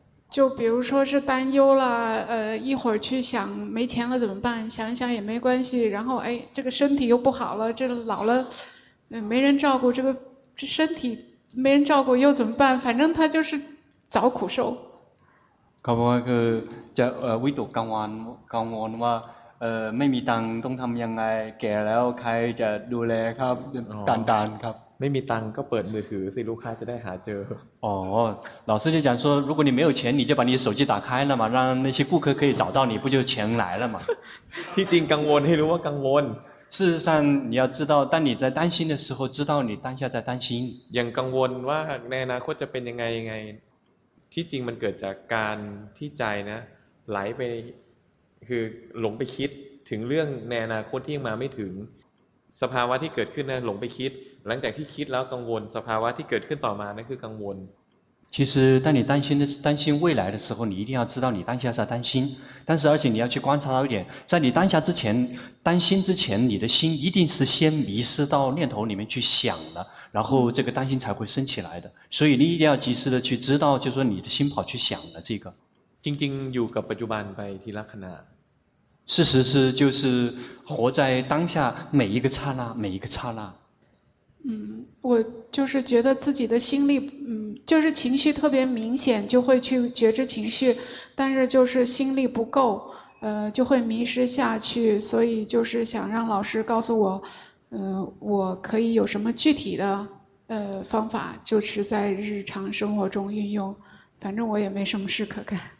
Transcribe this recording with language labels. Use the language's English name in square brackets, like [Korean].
[Chinese] 就比如说是担忧了一会儿去想没钱了怎么办想一想也没关系然后哎这个身体又不好了这老了没人照顾这身体没人照顾又怎么办反正他就是找苦受 [Thai] เขาบอกว่าคือจะวิตกกังวลว่าไม่มีตังต้องทำยังไงแก่แล้วใครจะดูแลครับดานๆครับ ไม่มีตังก็เปิดมือถือสิลูกค้าจะได้หาเจออ๋ [Chinese] อ老师就讲说如果你没有钱你就把你手机打开了嘛让那些顾客可以找到你不就钱来了嘛 [Thai] ที่จริงกังวลให้รู้ว่ากังวล [Chinese] 事实上你要知道当你在担心的时候知道你当下在担心 [Thai] อย่างกังวลว่าในอนาคตจะเป็นยังไงยังไงที่จริงมันเกิดจากการที่ใจนะไหลไปคือหลงไปคิดถึงเรื่องในอนาคตที่ยังมาไม่ถึงสภาวะที่เกิดขึ้นนะหลงไปคิดหลังจากที่คิดแล้วกังวลสภาวะที่เกิดขึ้นต่อมานั่นคือกังวล [Chinese] 其实当你担心未来的时候你一定要知道你当下在担心但是而且你要去观察到一点在你当下之前担心之前你的心一定是先迷失到念头里面去想了然后这个担心才会升起来的所以你一定要及时的去知道就是说你的心跑去想了这个 [Thai] จริงๆอยู่กับปัจจุบันไปทีละขณะ [Chinese] 事实是就是活在当下每一个刹那每一个刹那我就是觉得自己的心力就是情绪特别明显就会去觉知情绪但是就是心力不够就会迷失下去所以就是想让老师告诉我我可以有什么具体的方法就是在日常生活中运用反正我也没什么事可干